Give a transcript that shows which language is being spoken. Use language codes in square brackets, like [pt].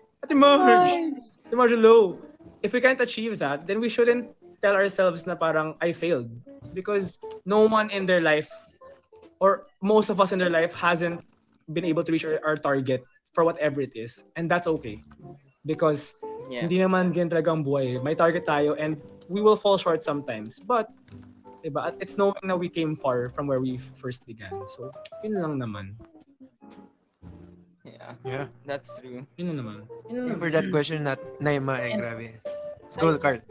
[en] Marge! If we can't achieve that, then we shouldn't tell ourselves [tl] na parang [en] I failed. Because no one in their life or most of us in their life hasn't been able to reach our target for whatever it is. And that's okay. [tl] Because hindi naman ganyan talaga ang buhay. May target tayo [en] and we will fall short sometimes. But [tl] diba, [en] it's knowing that we came far from where we first began. [tl] So, yun lang naman. [en] Yeah, that's true. [tl] Yun naman. [en] For that question, not Naima, eh, grabe. School card.